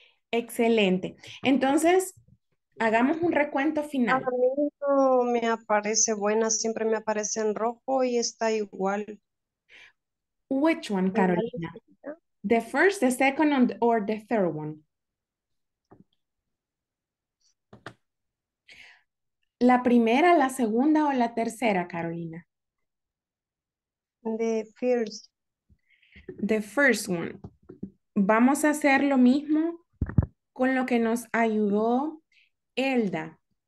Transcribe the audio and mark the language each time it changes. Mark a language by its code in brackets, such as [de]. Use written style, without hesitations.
[es] Excelente. Entonces, hagamos un recuento final. A mí no me aparece buena, siempre me aparece en rojo y está igual. [en] Which one, Carolina? The first, the second, or the third one? [es] ¿La primera, la segunda o la tercera, Carolina? [en] The first. The first one. [es] Vamos a hacer lo mismo con lo que nos ayudó Elda.